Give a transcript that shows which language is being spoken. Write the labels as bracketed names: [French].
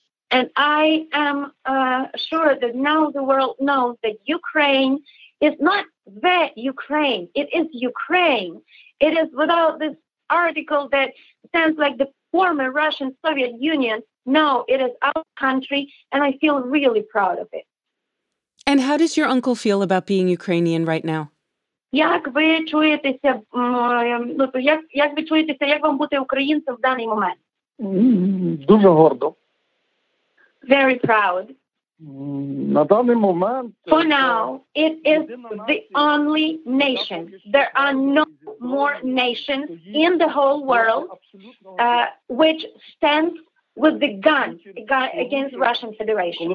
[English] And I am sure that now the world knows that Ukraine is not the Ukraine, it is Ukraine. It is without this article that sounds like the former Russian Soviet Union. No, it is our country, and I feel really proud of it. And how does your uncle feel about being Ukrainian right now? [Ukrainian] Як ви чуєтеся, ну, як ви чуєтеся, як вам бути українцем в даний момент? Дуже гордо. [English] Very proud. For now, it is the only nation. There are no more nations in the whole world which stands with the gun against Russian Federation.